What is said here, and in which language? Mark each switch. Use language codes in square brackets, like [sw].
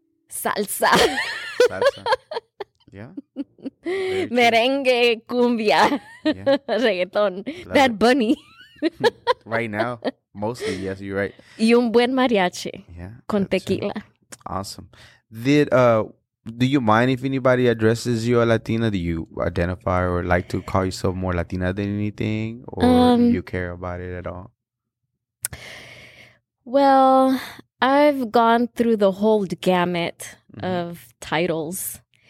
[en] Salsa. Yeah. Merengue, cumbia, reggaeton, Bad Bunny. Right now, mostly, yes, you're right. [es] Y un buen mariachi con tequila. [en] Awesome. Do you mind if anybody addresses you a Latina? Do you identify or like to call yourself more Latina than anything? Or do you care about it at all? Well, I've gone through the whole gamut of titles.